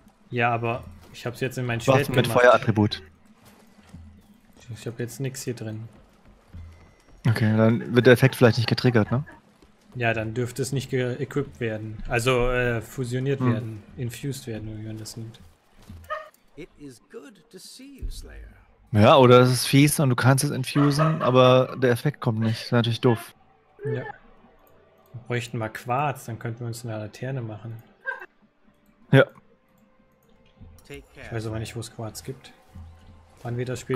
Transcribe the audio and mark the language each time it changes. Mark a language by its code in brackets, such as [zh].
[de] Ja, aber ich habe es jetzt in mein Schwert gemacht. Mit Feuerattribut. Ich habe jetzt nichts hier drin. Okay, dann wird der Effekt vielleicht nicht getriggert, ne? Ja, dann dürfte es nicht geequipped werden. Also fusioniert werden. Infused werden, wie man das nennt. [en] It is good to see you, Slayer. [de] Ja, oder es ist fies und du kannst es infusen, aber der Effekt kommt nicht. Das ist natürlich doof. Ja. Wir bräuchten mal Quarz, dann könnten wir uns eine Laterne machen. Ja. Ich weiß aber nicht, wo es Quarz gibt. Wann wird das Spiel